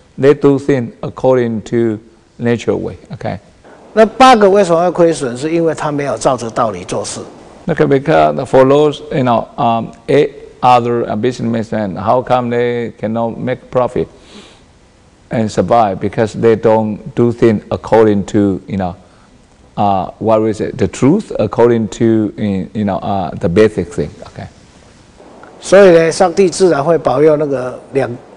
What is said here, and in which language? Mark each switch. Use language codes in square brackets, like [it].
[en] They do things according to nature way, okay? [zh] 那八个为什么会亏损？是因为他没有照着道理做事。Okay, [en] because for those, you know, eight other businessmen, how come they cannot make profit and survive? Because they don't do things according to, you know, what is it? The truth according to, you know, the basic thing, okay? [zh] 所以呢，上帝自然会保佑那个两。